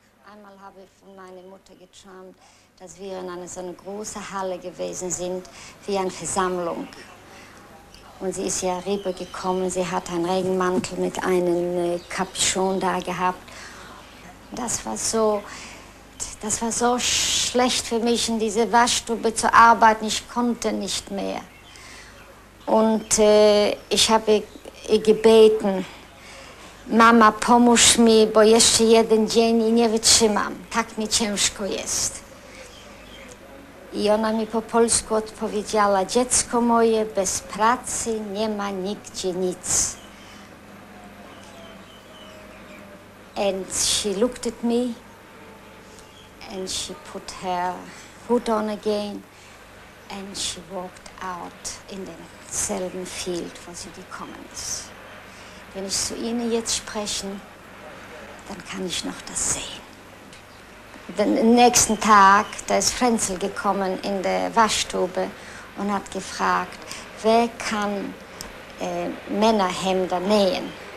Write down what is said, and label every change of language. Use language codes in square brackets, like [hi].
[de] Einmal habe ich von meiner Mutter geträumt, dass wir in einer so großen Halle gewesen sind, wie eine Versammlung. Und sie ist ja rübergekommen, sie hat einen Regenmantel mit einem Capuchon da gehabt. Das war so schlecht für mich, in diese Waschstube zu arbeiten, ich konnte nicht mehr. Und ich habe ihr gebeten, [pl] Mama, pomóż mi, bo jeszcze jeden dzień i nie wytrzymam, tak mi ciężko jest. I ona mi po polsku odpowiedziała, dziecko moje, bez pracy nie ma nigdzie nic. [en] And she looked at me, and she put her hood on again, and she walked out in [de] demselben [en] Field, [de] wo sie gekommen ist. Wenn ich zu Ihnen jetzt spreche, dann kann ich noch das sehen. Den nächsten Tag, da ist Frenzel gekommen in der Waschstube und hat gefragt, wer kann Männerhemder nähen?